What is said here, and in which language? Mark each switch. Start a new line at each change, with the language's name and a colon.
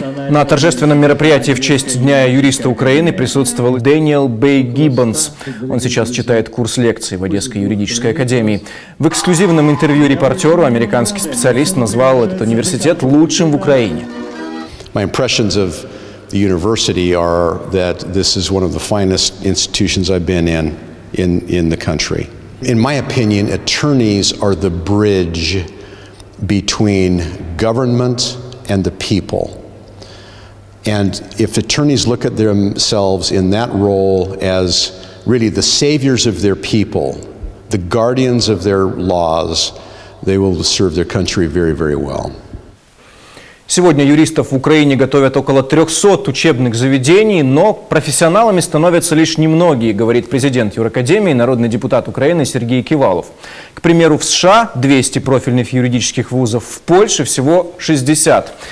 Russian: На торжественном мероприятии в честь Дня юриста Украины присутствовал Дэниел Бэй Гиббонс. Он сейчас читает курс лекций в Одесской юридической академии. В эксклюзивном интервью «Репортеру» американский специалист назвал этот университет лучшим в Украине.
English: The university are that this is one of the finest institutions I've been in the country. In my opinion, attorneys are the bridge between government and the people. And if attorneys look at themselves in that role as really the saviors of their people, the guardians of their laws, they will serve their country very, very well.
Russian: Сегодня юристов в Украине готовят около 300 учебных заведений, но профессионалами становятся лишь немногие, говорит президент юрэкадемии, народный депутат Украины Сергей Кивалов. К примеру, в США 200 профильных юридических вузов, в Польше всего 60.